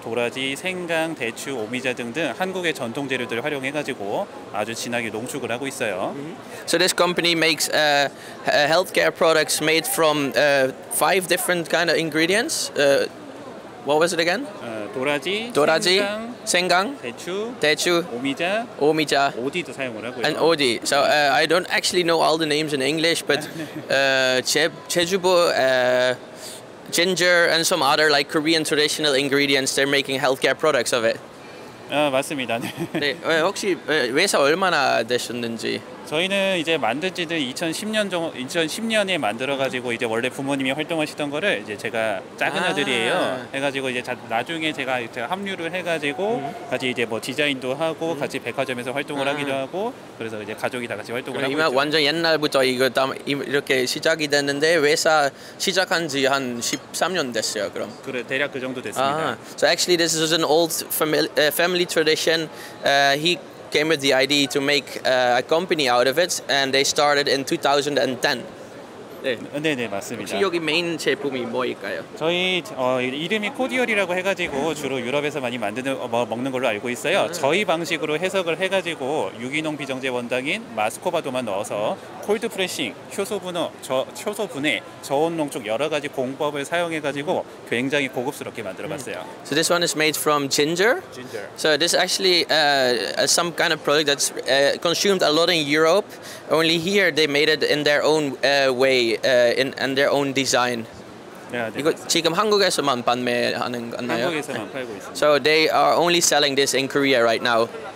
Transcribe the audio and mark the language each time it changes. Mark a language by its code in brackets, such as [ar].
[ko] 도라지, 생강, 대추, 오미자 등등 한국의 전통 재료들을 활용해가지고 아주 진하게 농축을 하고 있어요. [en] So this company makes healthcare products made from five different kind of ingredients. What was it again? [ko] 도라지, 생강, 대추, 오미자, 오디도 사용을 하고요. [en] And 오디. So I don't actually know all the names in English, but 제주보 ginger and some other like Korean traditional ingredients. They're making healthcare products of it. [ko] 맞습니다. 네. 네, 혹시 회사 얼마나 되셨는지? 저희는 이제 만든지는 2010년에 만들어가지고 이제 원래 부모님이 활동하시던 거를 이제 제가 작은 아들이에요. 해가지고 이제 나중에 제가 합류를 해가지고 같이 이제 뭐 디자인도 하고 같이 백화점에서 활동을 하기도 하고 그래서 이제 가족이 다 같이 활동을 하고 있죠. 완전 옛날부터 이거 이렇게 시작이 됐는데 회사 시작한지 한 13년 됐어요. 그럼 그래 대략 그 정도 됐습니다. [en] So actually this is an old family tradition. He came with the idea to make a company out of it, and they started in 2010. [ko] 네, 네, 맞습니다. 혹시 여기 메인 제품이 뭐일까요? 저희 이름이 코디얼이라고 해가지고 주로 유럽에서 많이 만드는 뭐 먹는 걸로 알고 있어요. 저희 방식으로 해석을 해가지고 유기농 비정제 원당인 마스코바도만 넣어서 콜드 프레싱, 효소분해, 저온 농축 여러 가지 공법을 사용해가지고 굉장히 고급스럽게 만들어봤어요. [en] So this one is made from ginger. Ginger. So this actually some kind of product that's consumed a lot in Europe. Only here they made it in their own way. And their own design. Yeah, [ko] 이거 지금 한국에서만 판매하는 건가요? 한국에서만 팔고 있습니다. [en] So they are only selling this in Korea right now.